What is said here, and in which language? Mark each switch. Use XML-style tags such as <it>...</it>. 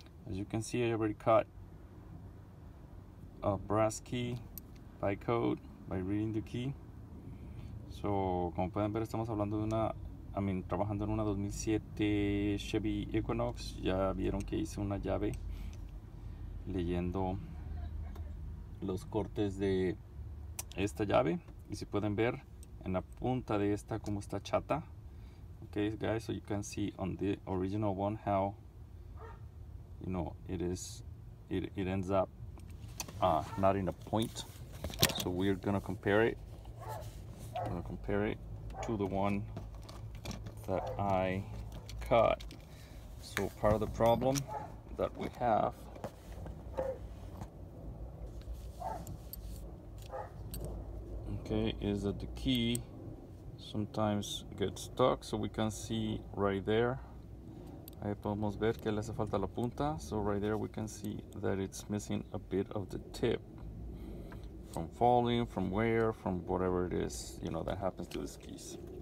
<en>As you can see, I already cut a brass key by code by reading the key.</en> <es>So, como pueden ver, estamos hablando de una, trabajando en una 2007 Chevy Equinox. Ya vieron que hice una llave leyendo los cortes de esta llave. Y si pueden ver en la punta de esta cómo está chata.</es> <en>Okay, guys, so you can see on the original one how, you know, it is, it ends up not in a point. So we're gonna compare it. We're gonna compare it to the one that I cut. So part of the problem that we have is that the key sometimes get stuck, so we can see right there.</en> <es>Ahí podemos ver que le hace falta la punta.</es> <en>So right there we can see that it's missing a bit of the tip from falling, from wear, from whatever it is, you know, that happens to these keys.</en>